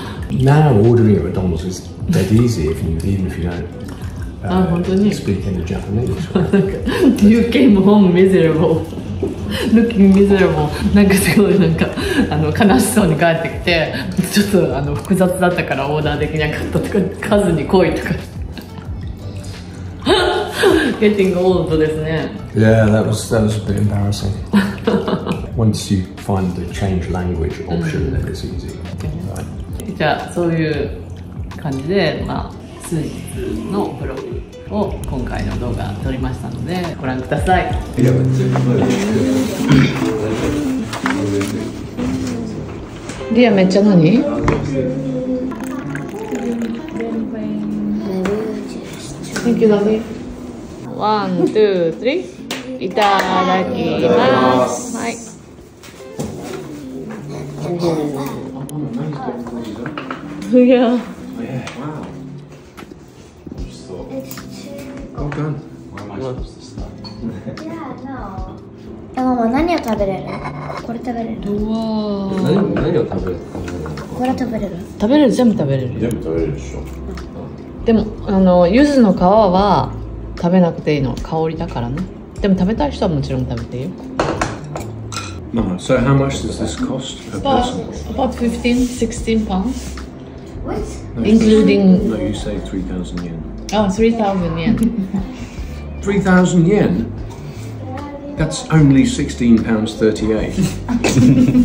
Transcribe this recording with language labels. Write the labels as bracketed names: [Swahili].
[English] Now ordering at McDonald's is dead easy if you, even if you don't speak any Japanese. Right? You came home miserable, looking miserable. [Japanese] Like, すごいなんかあの悲しそうに帰ってきて、ちょっとあの複雑だったからオーダーできなかったとか、数に来いとか。 [English] Getting old, [Japanese] ですね。 [English] Yeah, that was a bit embarrassing. Once you find the change language option, then it's easy. Okay. Right. [Japanese] じゃあそういう感じで、まあ数日のブログを今回の動画撮りましたのでご覧ください。リアめっちゃ何？ [English] Thank you, Daddy. ワン、ツー、スリー。 [Japanese] いただきます。はい。いや。え、ママ、何を食べれる？これ食べれる？わー、 何を食べる？これ食べれる？食べれる、全部食べれる。全部食べれるでしょ。でも、あの、柚子の皮は食べなくていいの、香りだからね。でも食べたい人はもちろん食べていいよ。 [English] ママ、so how much does this cost per person? About 15, 16 pounds. What? Including... No, you say 3,000 yen. Oh, 3,000 yen. 3,000 yen? That's only 16 pounds 38.